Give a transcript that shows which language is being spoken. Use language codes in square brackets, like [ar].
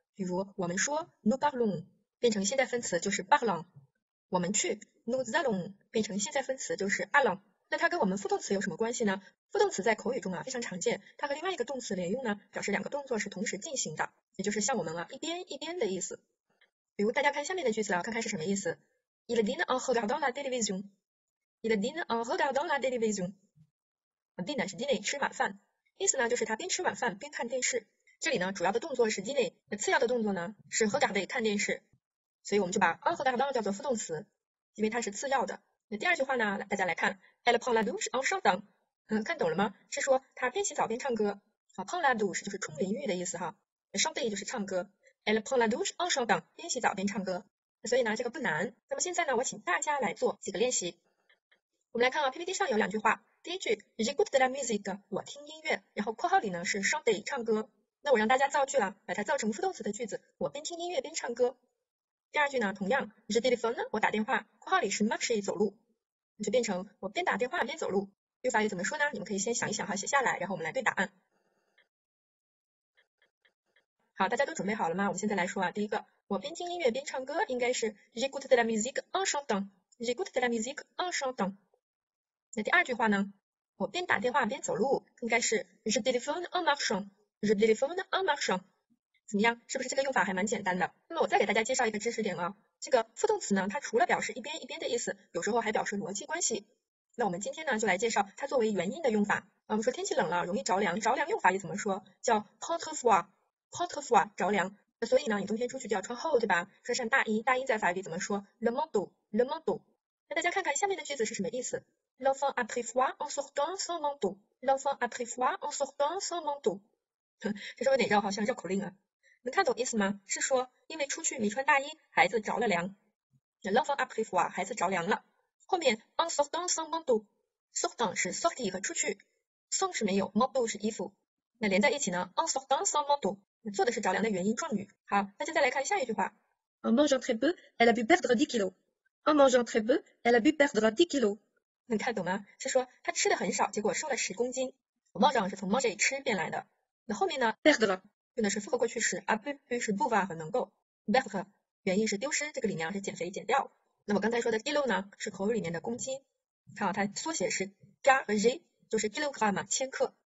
[zh] 比如我们说 [fr] nous parlons [zh] 变成现在分词就是 parlons，我们去 [fr] nous allons [zh] 变成现在分词就是 allons。那它跟我们副动词有什么关系呢？副动词在口语中啊非常常见，它和另外一个动词连用呢，表示两个动作是同时进行的，也就是像我们啊一边一边的意思。比如大家看下面的句子啊，看看是什么意思？ [fr] Il dîne en regardant la télévision. Il dîne en regardant la télévision. [zh] Dîner 是 dîner 吃晚饭，意思呢就是他边吃晚饭边看电视。这里呢主要的动作是 dîner，那次要的动作呢是 regarder 看电视，所以我们就把 en regardant 叫做副动词，因为它是次要的。那第二句话呢，大家来看， [fr] elle prend la douche en chantant， [zh] 看懂了吗？是说她边洗澡边唱歌。啊，prend la douche 就是冲淋浴的意思哈，chanter 就是唱歌。 [fr] elle prend la douche en chantant， [zh] 边洗澡边唱歌。所以呢，这个不难。那么现在呢，我请大家来做几个练习。我们来看啊，PPT 上有两句话，第一句 [fr] j'écoute de la musique， [zh] 我听音乐，然后括号里呢是 chanter 唱歌。那我让大家造句了，把它造成副动词的句子，我边听音乐边唱歌。第二句呢，同样 je téléphone，我打电话，括号里是 marcher 走路。就变成我边打电话边走路，用法语怎么说呢？你们可以先想一想哈，写下来，然后我们来对答案。好，大家都准备好了吗？我们现在来说啊，第一个，我边听音乐边唱歌，应该是 [fr] j'écoute de la musique en chantant， j'écoute de la musique en chantant。 [zh] 那第二句话呢？我边打电话边走路，应该是 [fr] je téléphone en marchant， je téléphone en marchant。 [zh] 怎么样？是不是这个用法还蛮简单的？那么我再给大家介绍一个知识点啊。这个副动词呢，它除了表示一边一边的意思，有时候还表示逻辑关系。那我们今天呢，就来介绍它作为原因的用法。我们说天气冷了，容易着凉，着凉用法也怎么说？叫 porte-froid，porte-froid 着凉。那所以呢，你冬天出去就要穿厚，对吧？穿上大衣，大衣在法语怎么说？le manteau，le manteau。那大家看看下面的句子是什么意思？ [fr] l'enfant a pris froid en sortant sans manteau，l'enfant a pris froid en sortant sans manteau。 [zh] 这稍微有点绕，好像绕口令啊。能看懂意思吗？是说因为出去没穿大衣，孩子着了凉。 [fr] L'enfant a pris froid， [zh] 孩子着凉了。 后面 [fr] en sortant sans manteau， [zh] sortant 是 sortir 和出去，sans 是没有，manteau 是衣服。那连在一起呢？ [fr] en sortant sans manteau， [zh] 做的是着凉的元音状语。好，那就再来看下一句话。 [fr] En mangeant très peu, elle a pu perdre 10 kilos. En mangeant très peu, elle a pu perdre 10 kilos. [zh] 能看懂吗？是说他吃的很少，结果瘦了10公斤。mangeant 是从 manger 吃变来的。那后面呢 [fr] ？perdre。 [zh] 用的是复合过去时，a pu 是 pouvoir 和能够，perdre 原因是丢失，这个里面是减肥减掉。那么刚才说的 kilo 呢，是口语里面的公斤，看它缩写是 gr 和 g，就是 kilogram 千克。